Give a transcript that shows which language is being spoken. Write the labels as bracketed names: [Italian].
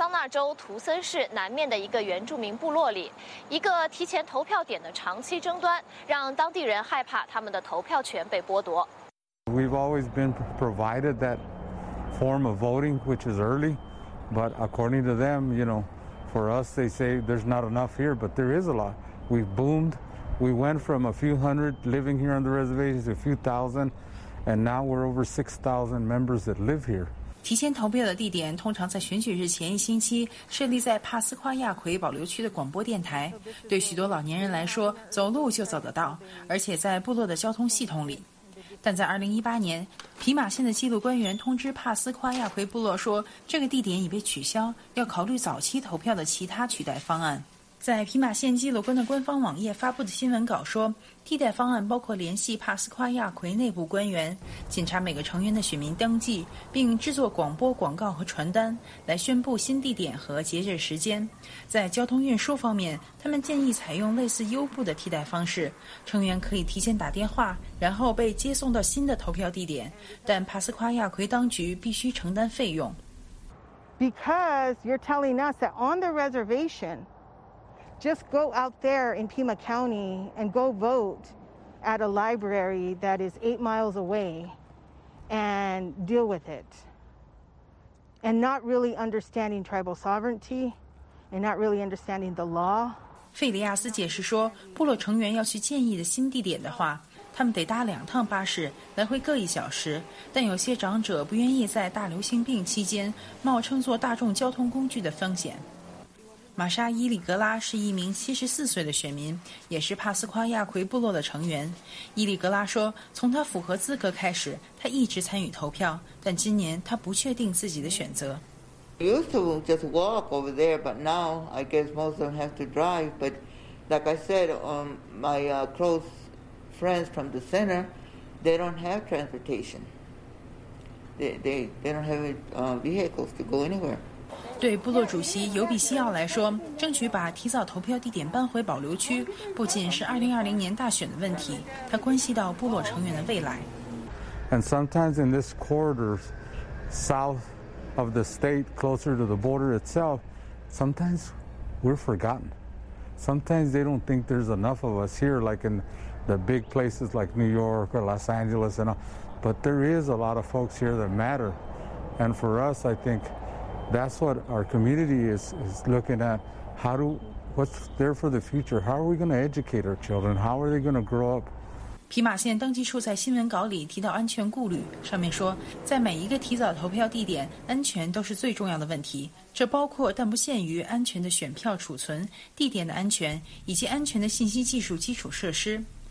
[Chinese] 州图森市南面的一个原住民部落里，一个提前投票点的长期争端让当地人害怕他们的投票权被剥夺。 [English] We've always been provided that form of voting, which is early, but according to them, you know, for us, they say there's not enough here, but there is a lot. We've boomed. We went from a few hundred living here on the reservation to a few thousand, and now we're over 6,000 members that live here. [Chinese] 提前投票的地点通常在选举日前一星期设立在帕斯夸亚奎保留区的广播电台，对许多老年人来说走路就走得到，而且在部落的交通系统里。但在2018年，皮马县的记录官员通知帕斯夸亚奎部落说这个地点已被取消，要考虑早期投票的其他取代方案。在皮马县记录官的官方网页发布的新闻稿说，替代方案包括联系帕斯夸亚奎内部官员，检查每个成员的选民登记，并制作广播广告和传单来宣布新地点和节日时间。在交通运输方面，他们建议采用类似优步的替代方式，成员可以提前打电话然后被接送到新的投票地点，但帕斯夸亚奎当局必须承担费用。 [English] Because you're telling us that on the reservationJust go out there in Pima County and go vote at a library that is 8 miles away and deal with it. And not really understanding tribal sovereignty and not really understanding the law. [Chinese] 费利亚斯解释说，部落成员要去建议的新地点的话，他们得搭两趟巴士，来回各一小时。但有些长者不愿意在大流行病期间冒乘坐大众交通工具的风险。玛莎·伊里格拉是一名74岁的选民，也是帕斯夸亚奎部落的成员。伊里格拉说，从他符合资格开始，他一直参与投票，但今年他不确定自己的选择。 [English] I used to just walk over there, but now I guess most of them have to drive. But like I said, my close friends from the center, they don't have transportation. They don't have vehicles to go anywhere. [Chinese] 对部落主席尤比西奥来说，争取把提早投票地点搬回保留区，不仅是2020年大选的问题，它关系到部落成员的未来。 [English] And sometimes in this corridor, south of the state, closer to the border itself, sometimes we're forgotten. Sometimes they don't think there's enough of us here, like in the big places like New York or Los Angeles, and all. But there is a lot of folks here that matter. And for us, I think. That's what our community is looking at. What's there for the future? How are we going to educate our children? How are they going to grow up? [Chinese] 皮马县登记处在新闻稿里提到安全顾虑，上面说，在每一个提早投票地点，安全都是最重要的问题。这包括但不限于安全的选票储存、地点的安全以及安全的信息技术基础设施。